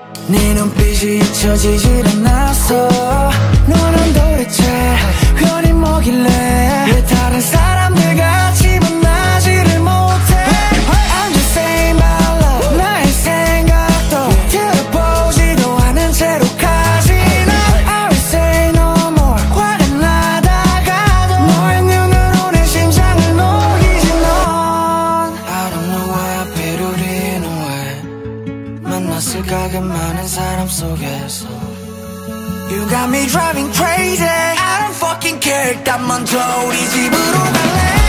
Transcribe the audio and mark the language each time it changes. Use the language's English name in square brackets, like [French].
[Korean] 네 눈빛이 잊혀지질 않았어. 너는 도대체 괜히 뭐길래 왜 다른 사람들 같이 만나지를 못해. [English] Hey, hey. I'm just saying my love. [Korean] 나의 생각도 들어보지도 않은 채로 가지 나. [English] Hey. I will say no more. [Korean] 화가 나다가도 너의 눈으로 내 심장을 녹이지. [English] 넌 I don't know why I paid it in a way. [Korean] 만났을까 그 많은 사람 속에서. [English] You got me driving crazy. I don't fucking care. [Korean] 딱 먼저 우리 집으로 갈래.